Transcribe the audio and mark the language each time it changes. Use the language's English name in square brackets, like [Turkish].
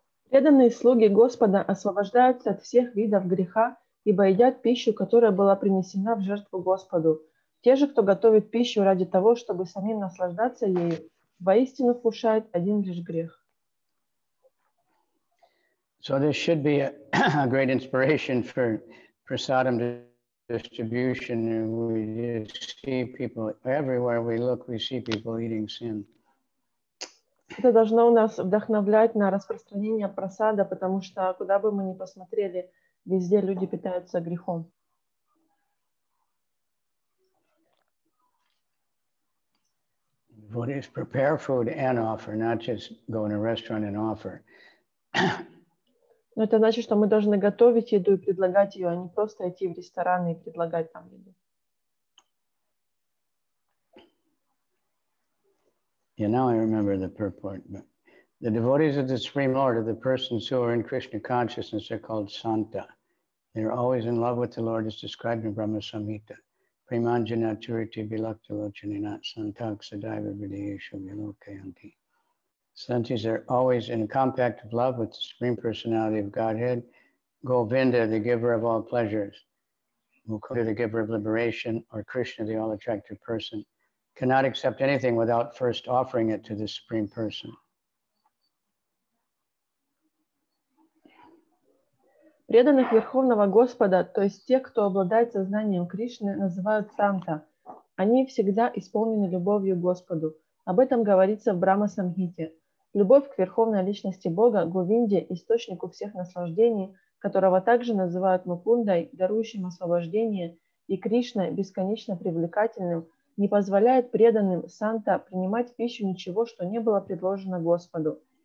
[Russian] Преданные слуги Господа освобождаются от всех видов греха, ибо едят пищу, которая была принесена в жертву Господу. Те же, кто готовит пищу ради того, чтобы самим наслаждаться ею, воистину вкушают один лишь грех. [English] So this should be a great inspiration for prasadam distribution, we see people everywhere we look, we see people eating sin. [Russian] Это должно у нас вдохновлять на распространение просада, потому что куда бы мы ни посмотрели, везде люди питаются грехом. [English] What is prepare food and offer, not just go in a restaurant and offer. [Russian] Но это значит, что мы должны готовить еду и предлагать ее, а не просто идти в ресторан и предлагать там еду. [English] Yeah, now I remember the purport. But the devotees of the Supreme Lord are the persons who are in Krishna consciousness. They're called Santa. They're always in love with the Lord, as described in Brahma Samhita. [Sanskrit] Premanjana Turiti Bilakta Lochanina Santaksa Daiva Vidyesha Vilokayanti. [English] Santis are always in compact of love with the Supreme Personality of Godhead, Govinda, the giver of all pleasures, Mukunda, the giver of liberation, or Krishna, the all-attractive person, cannot accept anything without first offering it to the Supreme Person. [Russian] Преданных Верховного Господа, то есть те, кто обладает сознанием Кришны, называют Санта. Они всегда исполнены любовью к Господу. Об этом говорится в Брахма-самхите. Любовь к Верховной Личности Бога, Говинде, источнику всех наслаждений, которого также называют Мукундой, дарующим освобождение, и Кришной, бесконечно привлекательным, не позволяет преданным Санта принимать пищу ничего, что не было предложено Господу.